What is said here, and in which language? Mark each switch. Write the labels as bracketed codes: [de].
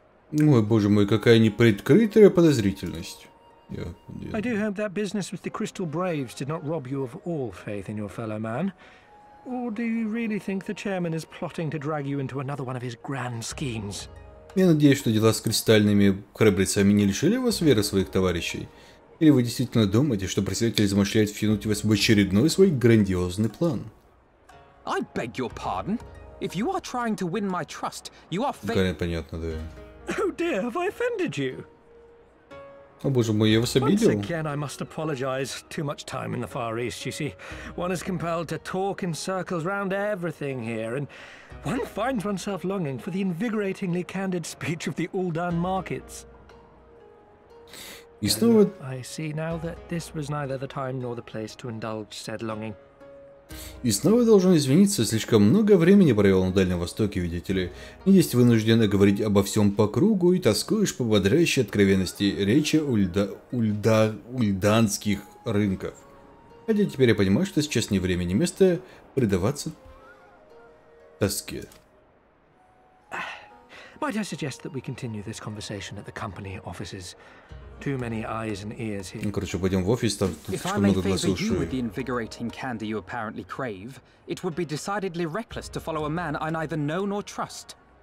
[ru] Ой, боже мой, какая неприкрытая подозрительность. [en] I do hope that business with the Crystal Braves did not rob you of all faith in your fellow man. Or do you really think the chairman is plotting to drag you into another one of his grand schemes? [ru] Я надеюсь, что дела с кристальными храбрецами не лишили вас веры своих товарищей. Или вы действительно думаете, что представитель замышляет втянуть вас в очередной свой грандиозный план? [en] I beg your pardon. If you are trying to win my trust, you are failing. [ru] Понятно, да. [en] Oh dear, have I offended you? [ru] О боже мой, я вас обидел? [en] Once again, I must apologize. Too much time in the Far East, you see. One is compelled to talk in circles round everything here, and one finds oneself longing for the invigoratingly candid speech of the Uldan markets. [ru] И снова. [en] I see now that this was neither the time nor the place to indulge said longing. [ru] И снова должен извиниться, слишком много времени провел на Дальнем Востоке, видите ли. Есть вынужденно говорить обо всем по кругу и тоскуешь по бодрящей откровенности речи ульданских рынков. Хотя теперь я понимаю, что сейчас не время, не место предаваться тоске. [en] Might I suggest that we continue this conversation at the company offices? Too many eyes and ears here. [ru] Ну, короче, пойдем в офис, там тут слишком много глаз и ушей. [en] With the invigorating candor you apparently crave, it would be decidedly reckless to follow a man I neither know nor trust.